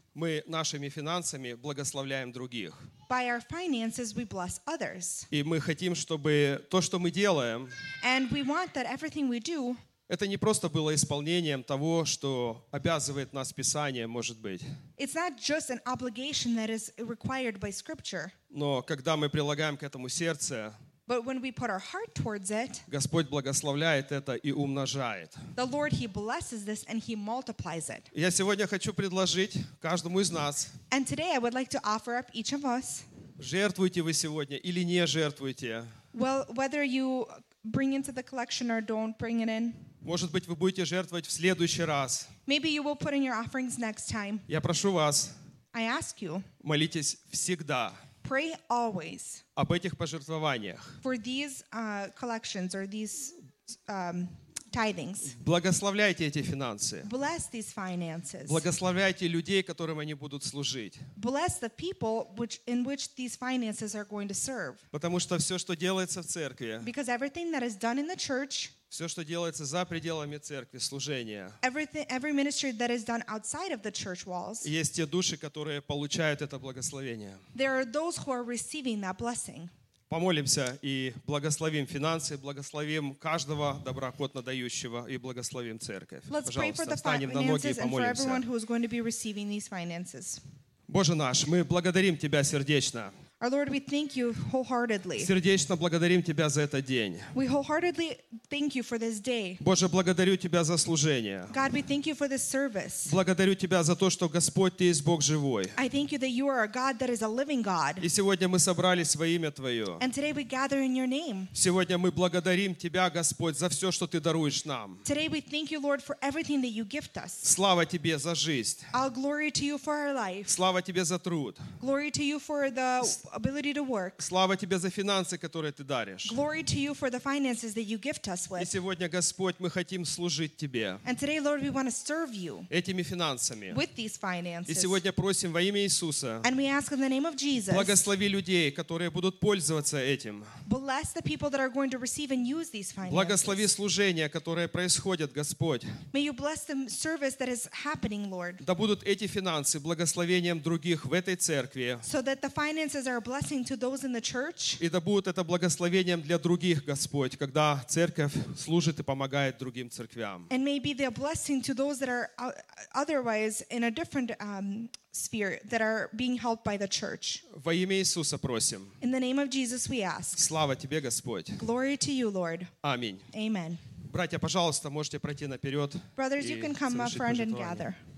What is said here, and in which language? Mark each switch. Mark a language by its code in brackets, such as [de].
[ru] Мы нашими финансами благословляем других. [en] By our finances, we bless others. [ru] И мы хотим, чтобы то, что мы делаем, [en] and we want that everything we do, [ru] это не просто было исполнением того, что обязывает нас Писание, может быть. [en] It's not just an obligation that is required by Scripture. [ru] Но когда мы прилагаем к этому сердце, [en] but when we put our heart towards it, [ru] Господь благословляет это и умножает. [en] The Lord, He blesses this and He multiplies it. [ru] Я сегодня хочу предложить каждому из нас. [en] And today I would like to offer up each of us. [ru] Жертвуете вы сегодня или не жертвуете? [en] Well, whether you bring into the collection or don't bring it in. [ru] Может быть, вы будете жертвовать в следующий раз. [en] Maybe you will put in your offerings next time. [ru] Я прошу вас. [en] I ask you. [ru] Молитесь всегда. [en] Pray always. [ru] Об этих пожертвованиях. [en] For these collections or these tithings. [ru] Благословляйте эти финансы. [en] Bless these finances. [ru] Благословляйте людей, которым они будут служить. [en] Bless the people which, in which these finances are going to serve. [ru] Потому что все, что делается в церкви. [en] Because everything that is done in the church. [ru] Все, что делается за пределами церкви, служения. [en] Every ministry that is done outside of the church walls. [ru] Есть те души, которые получают это благословение. [en] There are those who are receiving that blessing. [ru] Помолимся и благословим финансы, благословим каждого доброохотно дающего и благословим церковь. [en] Let's pray for the finances and for everyone who is going to be receiving these finances. [ru] Боже наш, мы благодарим Тебя сердечно. [en] Our Lord, we thank you wholeheartedly. [ru] Сердечно благодарим Тебя за этот день. [en] We wholeheartedly thank you for this day. [ru] Боже, благодарю Тебя за служение. [en] God, we thank you for this service. [ru] Благодарю Тебя за то, что Господь, Ты есть Бог живой. [en] I thank you that you are a God that is a living God. [ru] И сегодня мы собрались во имя Твое. [en] And today we gather in your name. [ru] Сегодня мы благодарим Тебя, Господь, за все, что Ты даруешь нам. [en] Today we thank you, Lord, for everything that you gift us. [ru] Слава Тебе за жизнь. [en] All glory to you for our life. [ru] Слава Тебе за труд. [en] Glory to you for the ability to work. [ru] Слава Тебе за финансы, которые Ты даришь. [en] Glory to you for the finances that you gift us with. [ru] И сегодня, Господь, мы хотим служить Тебе. [en] And today, Lord, we want to serve you. [ru] Этими финансами. [en] With these finances. [ru] И сегодня просим во имя Иисуса. [en] And we ask in the name of Jesus. [ru] Благослови людей, которые будут пользоваться этим. [en] Bless the people that are going to receive and use these finances. [ru] Благослови служения, которые происходят, Господь. [en] May you bless the service that is happening, Lord. [ru] Да будут эти финансы благословением других в этой церкви. [en] So that the finances are a blessing to those in the church. [ru] И да будет это благословением для других, Господь, когда церковь служит и помогает другим церквям. [en] And may be the blessing to those that are otherwise in a different sphere that are being helped by the church. [ru] Во имя Иисуса просим. [en] In the name of Jesus we ask. [ru] Слава Тебе, Господь. [en] Glory to you, Lord. [ru] Аминь. [en] Amen. [ru] Братья, пожалуйста, можете пройти наперед. [en] Brothers, you can come up front and gather.